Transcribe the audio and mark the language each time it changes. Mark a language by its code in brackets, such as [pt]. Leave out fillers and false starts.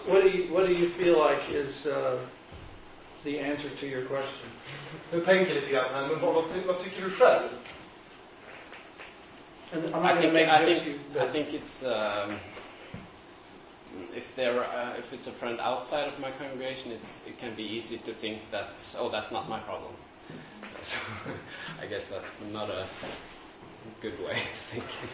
[en] What do you feel like is the answer to your question? [sv] Nu tänker lite grann här, men vad tycker du själv? [en] I think it's if it's a friend outside of my congregation, it can be easy to think that, oh, that's not my problem. So I guess that's not a good way to think.